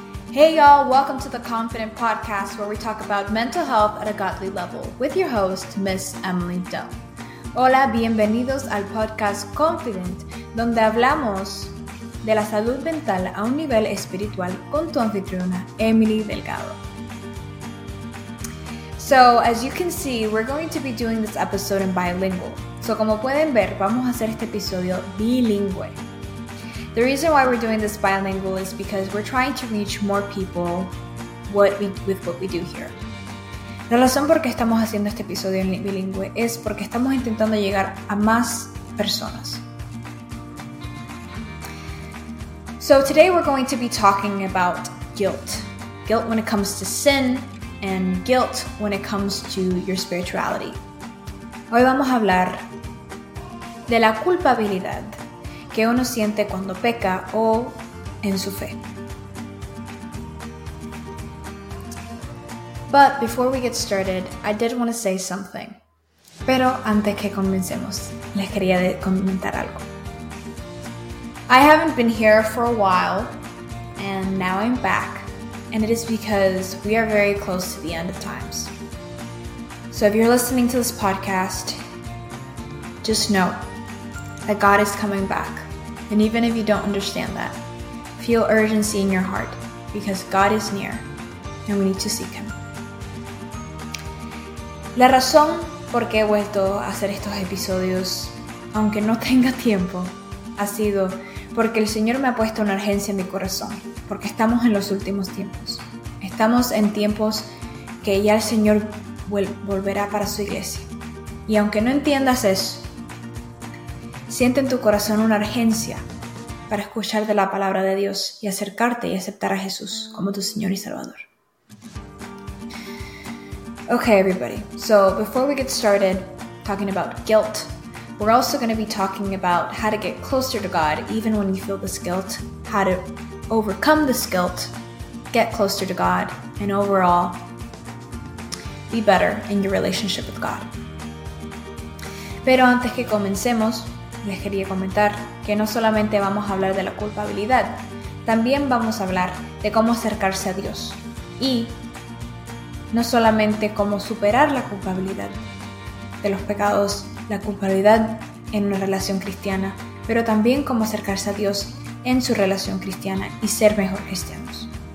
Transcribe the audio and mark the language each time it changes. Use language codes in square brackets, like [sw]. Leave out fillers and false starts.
[en] Hey y'all, welcome to the Confident Podcast, where we talk about mental health at a godly level with your host, Miss Emily Dell. [es] Hola, bienvenidos al podcast Confident, donde hablamos de la salud mental a un nivel espiritual con tu anfitriona, Emily Delgado. [en] So, as you can see, we're going to be doing this episode in bilingual. [es] So, como pueden ver, vamos a hacer este episodio bilingüe. [en] The reason why we're doing this bilingual is because we're trying to reach more people with what we do here. [es] La razón por qué estamos haciendo este episodio en bilingüe es porque estamos intentando llegar a más personas. [en] So today we're going to be talking about guilt. Guilt when it comes to sin and guilt when it comes to your spirituality. [es] Hoy vamos a hablar de la culpabilidad que uno siente cuando peca o en su fe. [en] But before we get started, I did want to say something. [es] Pero antes que comencemos, les quería comentar algo. [en] I haven't been here for a while, and now I'm back, and it is because we are very close to the end of times. So if you're listening to this podcast, just know that God is coming back. And even if you don't understand that, feel urgency in your heart because God is near and we need to seek Him. [es] La razón por qué he vuelto a hacer estos episodios, aunque no tenga tiempo, ha sido porque el Señor me ha puesto una urgencia en mi corazón, porque estamos en los últimos tiempos. Estamos en tiempos que ya el Señor volverá para su iglesia. Y aunque no entiendas eso, siente en tu corazón una urgencia para escuchar de la palabra de Dios y acercarte y aceptar a Jesús como tu Señor y Salvador. [en] Okay, everybody. So before we get started talking about guilt, we're also going to be talking about how to get closer to God even when you feel this guilt, how to overcome this guilt, get closer to God, and overall, be better in your relationship with God. [es] Pero antes que comencemos, les quería comentar que no solamente vamos a hablar de la culpabilidad, también vamos a hablar de cómo acercarse a Dios y no solamente cómo superar la culpabilidad de los pecados, la culpabilidad en una relación cristiana, pero también cómo acercarse a Dios en su relación cristiana y ser mejor cristianos.